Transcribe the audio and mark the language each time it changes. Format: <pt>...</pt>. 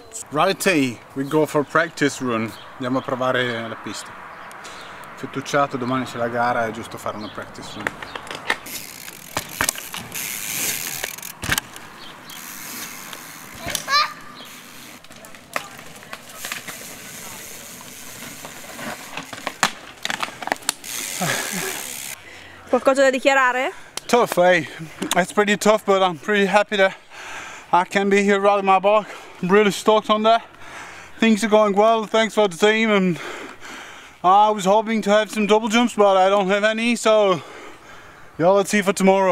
<en>Righty, we go for practice run.</en> <it>Andiamo a provare la pista. Fettucciato, domani c'è la gara, è giusto fare una practice run. Qualcosa da dichiarare?</it> <en>Tough, eh? It's pretty tough, but I'm pretty happy that I can be here riding my bike. I'm really stoked on that. Things are going well, thanks for the team, and I was hoping to have some double jumps, but I don't have any, so yeah, let's see for tomorrow.</en>